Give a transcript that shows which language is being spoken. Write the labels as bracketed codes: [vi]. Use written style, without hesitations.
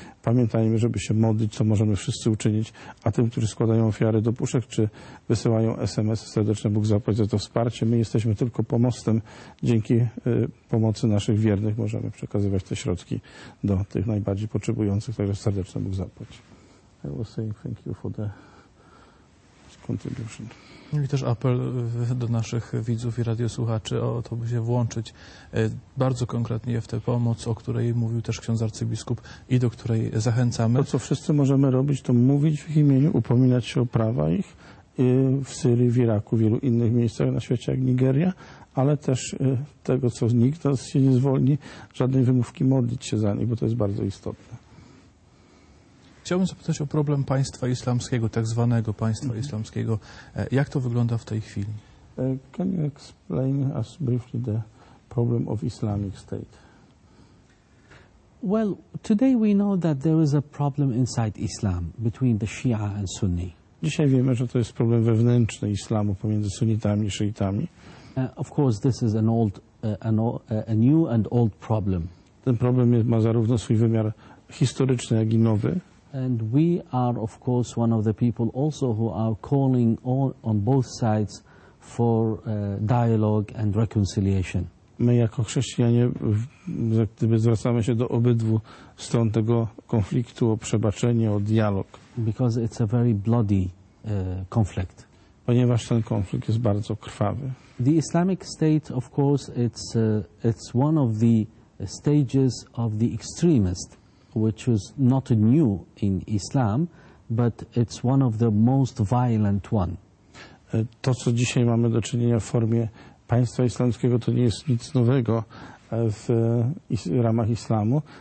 [pl] Pamiętajmy, żeby się modlić, co możemy wszyscy uczynić, a tym, którzy składają ofiary do puszek, czy wysyłają SMS, serdecznie Bóg zapłać za to wsparcie. My jesteśmy tylko pomostem. Dzięki pomocy naszych wiernych możemy przekazywać te środki do tych najbardziej potrzebujących, także serdecznie Bóg zapłać. [en] I will say thank you for the contribution. [pl] I też apel do naszych widzów i radiosłuchaczy o to, by się włączyć bardzo konkretnie w tę pomoc, o której mówił też ksiądz arcybiskup i do której zachęcamy. To, co wszyscy możemy robić, to mówić w ich imieniu, upominać się o prawa ich w Syrii, w Iraku, w wielu innych miejscach na świecie, jak Nigeria, ale też tego, co nikt nas się nie zwolni, żadnej wymówki, modlić się za nich, bo to jest bardzo istotne. Chciałbym zapytać o problem państwa islamskiego, tak zwanego państwa islamskiego. Jak to wygląda w tej chwili? [en] Can you explain us briefly the problem of Islamic State? Well, today we know that there is a problem inside Islam between the Shia and Sunni. [pl] Dzisiaj wiemy, że to jest problem wewnętrzny islamu pomiędzy sunnitami i szyitami. [en] Of course, this is a new and old problem. [pl] Ten problem ma zarówno swój wymiar historyczny, jak i nowy. [en] And we are, of course, one of the people also who are calling on both sides for dialogue and reconciliation. [pl] My jako chrześcijanie, gdyby zwracamy się do obydwu stron tego konfliktu o przebaczenie, o dialog. [en] Because it's a very bloody conflict. [pl] Ponieważ ten konflikt jest bardzo krwawy. [en] The Islamic State, of course, it's one of the stages of the extremist, which is not new in Islam, but it's one of the most violent one. [pl] To, co dzisiaj mamy do czynienia w formie państwa islamskiego, to nie jest nic nowego w ramach islamu.